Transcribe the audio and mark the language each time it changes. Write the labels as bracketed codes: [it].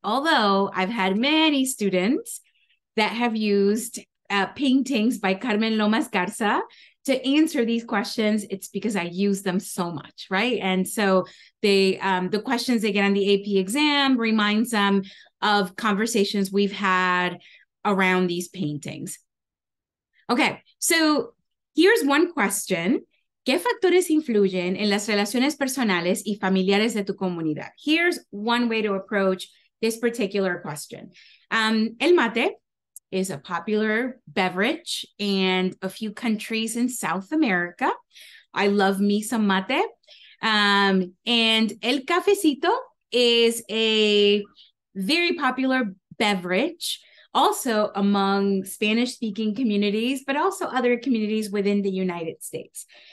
[en] Although I've had many students that have used paintings by Carmen Lomas Garza to answer these questions, it's because I use them so much, right? And so the questions they get on the AP exam reminds them of conversations we've had around these paintings. Okay, so here's one question. [es] ¿Qué factores influyen en las relaciones personales y familiares de tu comunidad? [en] Here's one way to approach this particular question. El mate is a popular beverage in a few countries in South America. I love me some mate. And el cafecito is a very popular beverage also among Spanish-speaking communities, but also other communities within the United States.